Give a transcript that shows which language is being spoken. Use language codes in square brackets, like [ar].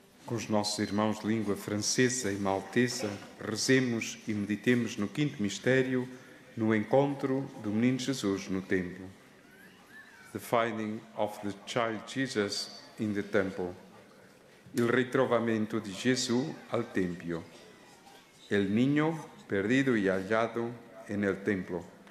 [pt] os nossos irmãos de língua francesa e maltesa, rezemos e meditemos no quinto mistério, no encontro do Menino Jesus no templo. [en] The finding of the child Jesus in the temple. [it] Il ritrovamento di Gesù al tempio. [es] El niño perdido y hallado en el templo.